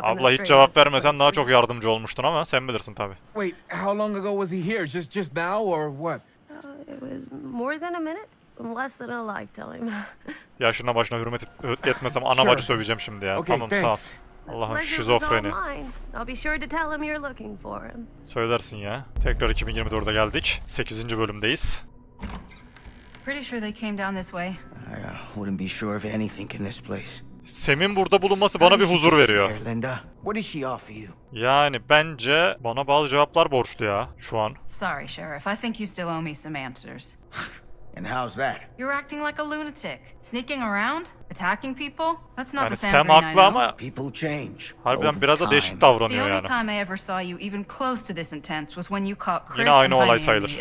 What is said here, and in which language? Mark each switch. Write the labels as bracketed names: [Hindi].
[Turkish] Abla hiç cevap vermesen daha çok yardımcı olmuştun ama sen bilirsin tabii. [English] Wait, how long ago was he here? Just now or what? It was more than a minute. less than a lifetime. [Turkish] Yaşına başına hürmet etmesem ana bacı söveceğim şimdi ya. [English] Okay, [Turkish] tamam, [English] thanks. [Turkish] Sağ ol. Allah'ım, şizofreni. [English] I'll be sure to tell him you're looking for him. [Turkish] Söylersin ya. Tekrar 2024'da geldik. 8. bölümdeyiz. [English] Pretty sure they came down this way. I wouldn't be sure of anything in this place. [Turkish] Sam'in burada bulunması bana bir huzur veriyor. Yani bence bana bazı cevaplar borçlu ya şu an. [English] Sorry Sheriff, I think you still owe me some answers. And how's that? You're acting like a lunatic. Sneaking around, attacking people. That's not [Turkish] yani [English] the Sam [Turkish] haklı ama [English] people change. [Turkish] Harbiden biraz da değişik davranıyor yani. The only time I ever saw you even close to this intense was when you caught Chris. Yine aynı olay sayılır.